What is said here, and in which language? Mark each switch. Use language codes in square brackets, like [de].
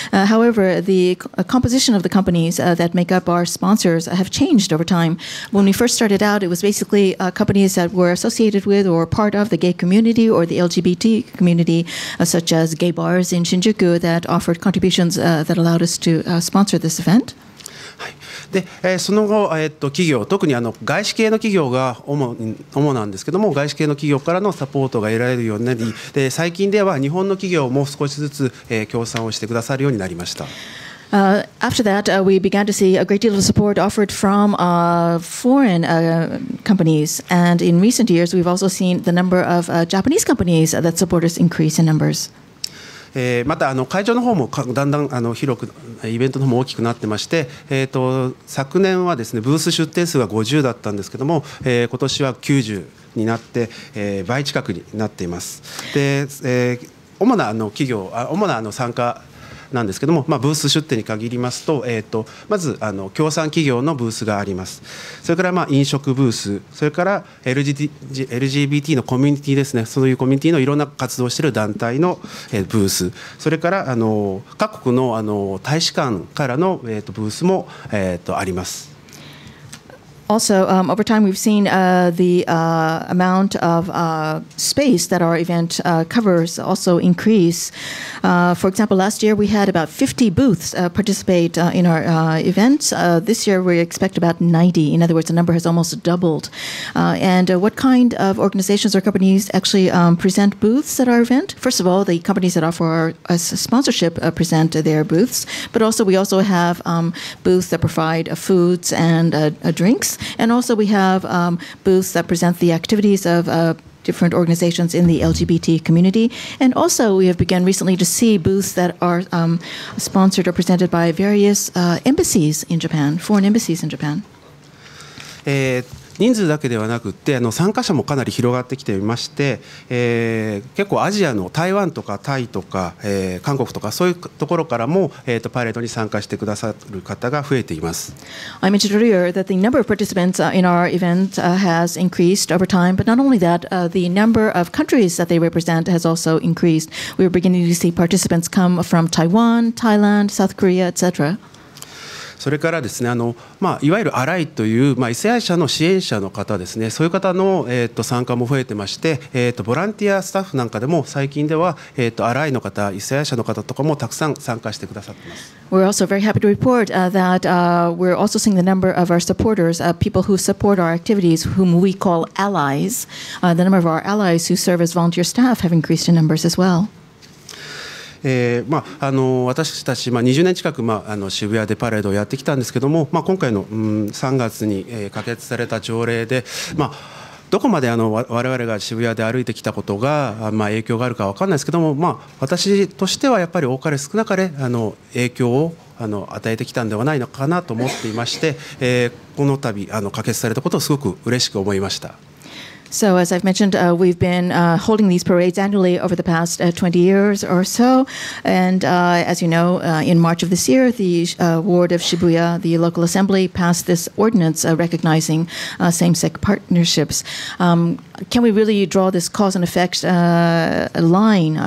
[en] However, the composition of the companies that make up our sponsors have changed over time. When we first started out, it was basically companies that were associated with or part of the gay community or the LGBT community, such as gay bars in Shinjuku that offered contributions that allowed us to sponsor this event. [ja] で、その後、企業、特にあの外資系の企業が 主なんですけども、外資系の企業からのサポートが得られるようになり、で最近では日本の企業も少しずつ、協賛をしてくださるようになりました。 [en] After that, we began to see a great deal of support offered from foreign companies. And in recent years, we've also seen the number of Japanese companies that support us increase in numbers. [ja] またあの会場の方もだんだんあの広くイベントの方も大きくなってまして、昨年はですねブース出展数が50だったんですけども、今年は90になって、倍近くになっています。で、主なあの企業、主なあの参加なんですけども、まあ、ブース出展に限りますと、まずあの協賛企業のブースがあります。それからまあ飲食ブース、それから LGBT のコミュニティですね、そういうコミュニティのいろんな活動している団体のブース、それからあの各国 の, あの大使館からの、ブースも、あります。 [en] Also, over time, we've seen the amount of space that our event covers also increase. For example, last year we had about 50 booths participate in our events. This year we expect about 90. In other words, the number has almost doubled. And what kind of organizations or companies actually present booths at our event? First of all, the companies that offer our sponsorship present their booths, but also we also have booths that provide foods and drinks. And also we have booths that present the activities of different organizations in the LGBT community. And also we have begun recently to see booths that are sponsored or presented by various embassies in Japan, foreign embassies in Japan. [ja] 人数だけではなくて、あの参加者もかなり広がってきていまして、結構アジアの台湾とかタイとか、韓国とかそういうところからも、パレードに参加してくださる方が増えています。 [en] I mentioned earlier that the number of participants in our event has increased over time, but not only that, the number of countries that they represent has also increased. We are beginning to see participants come from Taiwan, Thailand, South Korea, etc. [ja] それからですね、いわゆるアライという、異性愛者の支援者の方ですね、そういう方の、参加も増えてまして、ボランティアスタッフなんかでも最近では、アライの方、異性愛者の方とかもたくさん参加してくださっています。 [en] We're also very happy to report that we're also seeing the number of our supporters, people who support our activities, whom we call allies. The number of our allies who serve as volunteer staff have increased in numbers as well. [ja] 私たち、20年近く、渋谷でパレードをやってきたんですけども、今回の、3月に、可決された条例で、どこまで我々が渋谷で歩いてきたことが、影響があるか分からないですけども、私としてはやっぱり多かれ少なかれ影響を与えてきたのではないのかなと思っていまして、この度可決されたことをすごく嬉しく思いました。 [en] So as I've mentioned, we've been holding these parades annually over the past 20 years or so. And as you know, in March of this year, the ward of Shibuya, the local assembly, passed this ordinance recognizing same-sex partnerships. Can we really draw this cause and effect line?